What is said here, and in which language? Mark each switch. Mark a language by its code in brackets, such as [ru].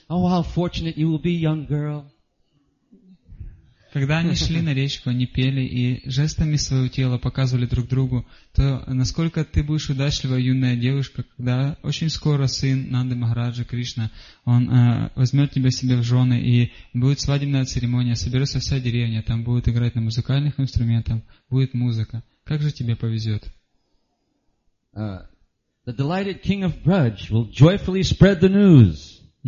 [en] Oh, how fortunate you will be, young girl. [ru] Когда они шли на речку, они пели и жестами своего тела показывали друг другу, то насколько ты будешь удачлива, юная девушка, когда очень скоро сын Нанды Махараджа Кришна, он возьмет тебя себе в жены, и будет свадебная церемония, соберется вся деревня, там будет играть на музыкальных инструментах, будет музыка. Как же тебе повезет? [en] The delighted king of Braj will joyfully spread the news.